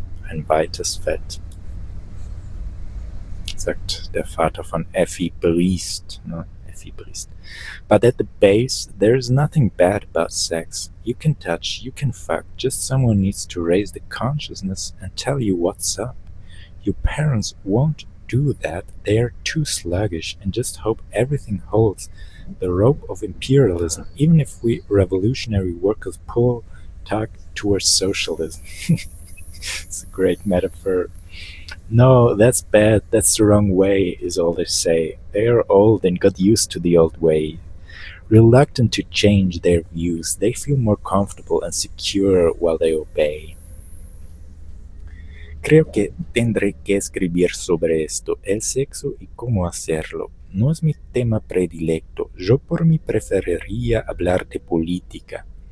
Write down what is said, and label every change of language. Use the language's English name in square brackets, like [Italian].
[German] Ein weites Feld, sagt der Vater von Effi Briest, ne? [English] But at the base, there is nothing bad about sex. You can touch, you can fuck, just someone needs to raise the consciousness and tell you what's up. Your parents won't do that, they are too sluggish and just hope everything holds the rope of imperialism, even if we revolutionary workers pull tug towards socialism. It's a great metaphor. No, that's bad, that's the wrong way, is all they say. They are old and got used to the old way. Reluctant to change their views, they feel more comfortable and secure while they obey. [Spanish] Creo que tendré que escribir sobre esto, el sexo y cómo hacerlo. No es mi tema predilecto, yo por mí preferiría hablar de política.